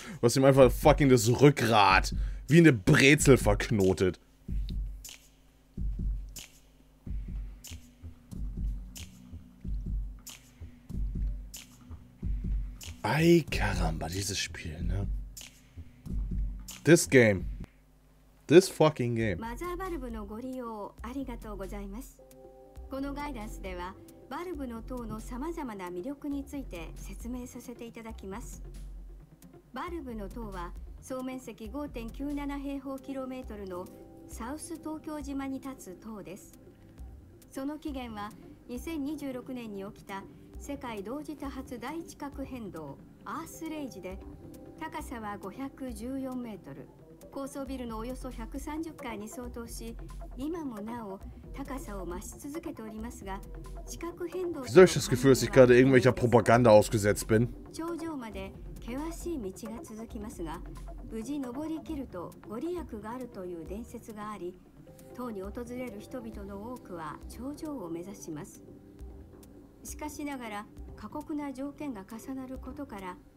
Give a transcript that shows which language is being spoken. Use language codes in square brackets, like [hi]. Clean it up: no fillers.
[de] Du hast ihm einfach fucking das Rückgrat wie eine Brezel verknotet. Ei, caramba, dieses Spiel, ne? [en] This game. This fucking game. [ja] マザーバルブのご利用ありがとうございます。このガイダンスではバルブの塔の様々な魅力について説明させていただきます。バルブの塔は総面積 5.97 平方キロメートルのサウス東京島に立つ塔です。その起源は2026年に起きた世界同時多発大地殻変動アースレイジで高さは514メートル。高層ビルのおよそ130階に相当し、今もなお高さを増し続けておりますが、地殻変動。 [de] Wieso ich das Gefühl, dass ich gerade irgendwelcher Propaganda ausgesetzt bin? [ja] 頂上まで険しい道が続きますが、無事登り切るとご利益があるという伝説があり、塔に訪れる人々の多くは頂上を目指します。しかしながら過酷な条件が重なることから。